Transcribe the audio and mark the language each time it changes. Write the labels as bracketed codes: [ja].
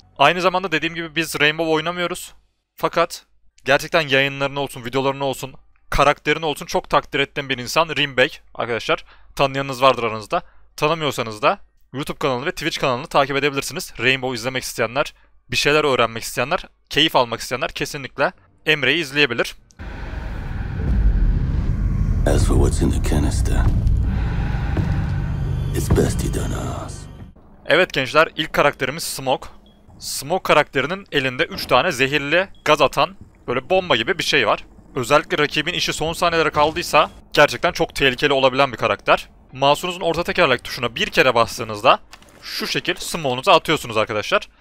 [tr] Aynı zamanda dediğim gibi biz Rainbow oynamıyoruz. Fakat gerçekten yayınlarını olsun, videolarını olsun, karakterini olsun çok takdir ettiğim bir insan Rimbek. Arkadaşlar tanıyanınız vardır aranızda. Tanımıyorsanız da YouTube kanalını ve Twitch kanalını takip edebilirsiniz. Rainbow izlemek isteyenler, bir şeyler öğrenmek isteyenler, keyif almak isteyenler kesinlikle Emre'yi izleyebilir. [en] As for what's in the canister, it's best you don't ask. [tr] Evet gençler, ilk karakterimiz Smoke. Smoke karakterinin elinde 3 tane zehirli gaz atan böyle bomba gibi bir şey var. Özellikle rakibin işi son saniyelere kaldıysa gerçekten çok tehlikeli olabilen bir karakter. Mouse'unuzun orta tekerlek tuşuna bir kere bastığınızda şu şekil smoke'unuzu atıyorsunuz arkadaşlar.